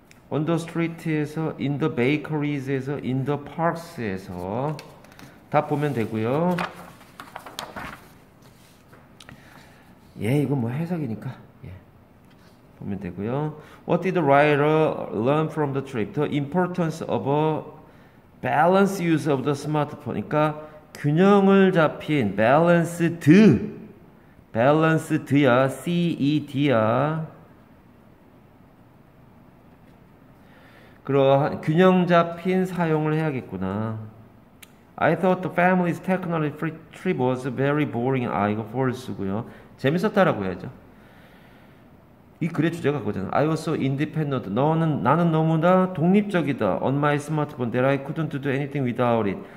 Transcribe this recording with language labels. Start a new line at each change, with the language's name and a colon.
English: On the street에서, in the bakeries에서, in the parks에서
Korean: 다 보면 되고요. 예, 이건 뭐 해석이니까 예, 보면 되고요.
English: What did the writer learn from the trip? The importance of a balanced use of the smartphone.
Korean: 그러니까 균형을 잡힌 balanced, balanced야, C-E-D야. 그러한 균형 잡힌 사용을 해야겠구나.
English: I thought the family's technology trip was very boring.
Korean: 아, 이거 false고요. 재밌었다라고 해야죠. 이 글의 주제가 그거잖아.
English: I was so independent.
Korean: 나는 너무나 독립적이다.
English: On my smartphone that I couldn't do anything without it.